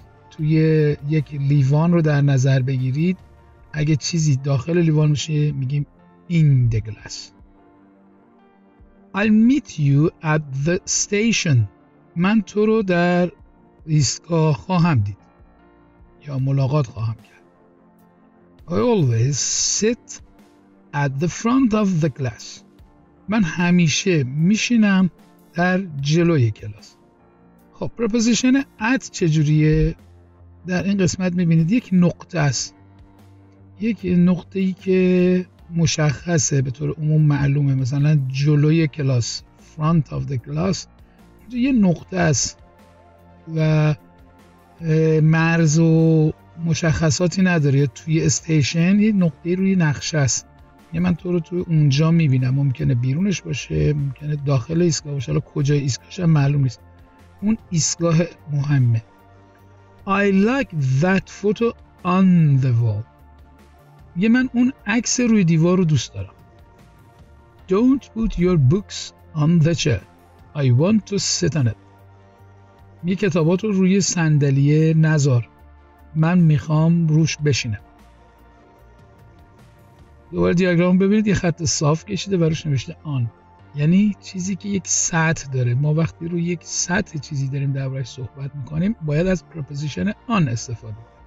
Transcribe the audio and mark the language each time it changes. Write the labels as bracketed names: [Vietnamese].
[Persian] توی یک لیوان رو در نظر بگیرید، اگه چیزی داخل لیوان میشه میگیم این [English] the glass. I'll meet you at the station. [Persian] من تو رو در ایستگاه خواهم دید یا ملاقات خواهم کرد. [English] I always sit at the front of the class. [Persian] من همیشه میشینم در جلوی کلاس. خب پرپوزیشن at چجوریه؟ در این قسمت میبینید یک نقطه است. یک نقطه‌ای که مشخصه به طور عموم معلومه، مثلا جلوی کلاس، [English] front of the class. [Persian] یه نقطه است و مرز و مشخصاتی نداره. یا توی استیشن یه نقطه روی نقشه است. یه من تو رو توی اونجا میبینم، ممکنه بیرونش باشه، ممکنه داخل ایستگاه باشه، حالا کجای ایستگاهش هم معلوم نیست، اون ایستگاه مهمه. [English] I like that photo on the wall. [Persian] یه من اون عکس روی دیوار رو دوست دارم. [English] Don't put your books on the chair. I want to sit on it. [Persian] یه کتابات رو روی صندلیه نذار، من میخوام روش بشینم. دوباره دیاگرام ببینید، یه خط صاف کشیده و روش نوشته آن. یعنی چیزی که یک سطح داره. ما وقتی روی یک سطح چیزی داریم دربارش صحبت میکنیم، باید از پرپوزیشن آن استفاده کنیم.